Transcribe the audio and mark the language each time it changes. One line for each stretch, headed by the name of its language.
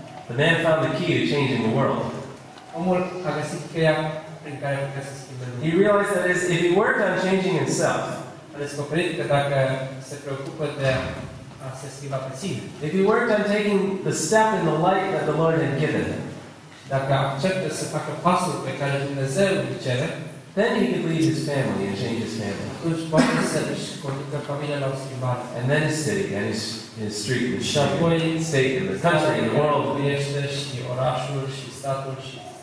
English: The man found the key to changing the world.
Romanian: Omul a găsit cheia prin care putea să schimbe lumea.
English: He realized that if he worked on changing himself,
Romanian: a descoperit că dacă se preocupă de a se schimba pe sine,
English: if he worked on taking the step in the light that the Lord had given him,
Romanian: dacă acceptă să facă pasul pe care Dumnezeu îi cere,
English: then he could lead his family and change his family.
Romanian: Atunci poate să-și conducă familia la o schimbare.
English: And then his city and his street and his state and the country and the world.
Romanian: Locuiește și orașul și statul și